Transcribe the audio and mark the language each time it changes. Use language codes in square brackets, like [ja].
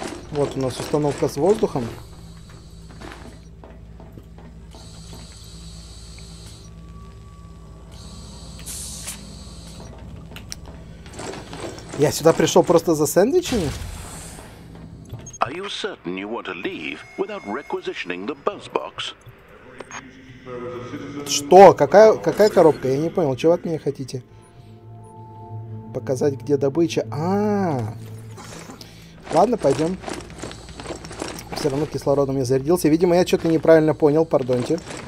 [ru] Вот у нас установка с воздухом. Я сюда пришел просто за сэндвичами? [en] Are you certain you want to leave without requisitioning the buzz box? [ru] Что? Какая коробка? Я не понял, чего от меня хотите? Показать, где добыча. Ладно, пойдем. Все равно кислородом я зарядился. Видимо, я что-то неправильно понял, пардоньте.